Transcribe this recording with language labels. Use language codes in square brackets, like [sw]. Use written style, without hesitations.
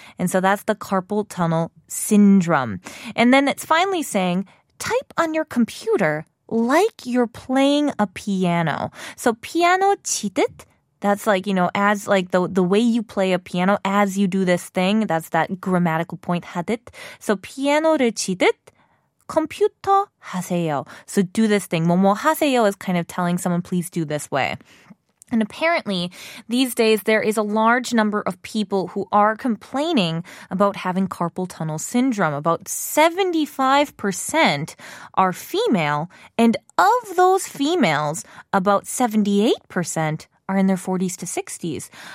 [en] And so that's the carpal tunnel syndrome. And then it's finally saying, type on your computer like you're playing a piano. So piano 치듯, that's like, you know, as like the way you play a piano as you do this thing, that's that grammatical point 하듯. [ko] So 피아노를 치듯 컴퓨터 하세요. [en] So do this thing. [ko] 뭐뭐 하세요 [en] is kind of telling someone, please do this way. And apparently, these days, there is a large number of people who are complaining about having carpal tunnel syndrome. About 75% are female, and of those females, about 78% are in their 40s to 60s.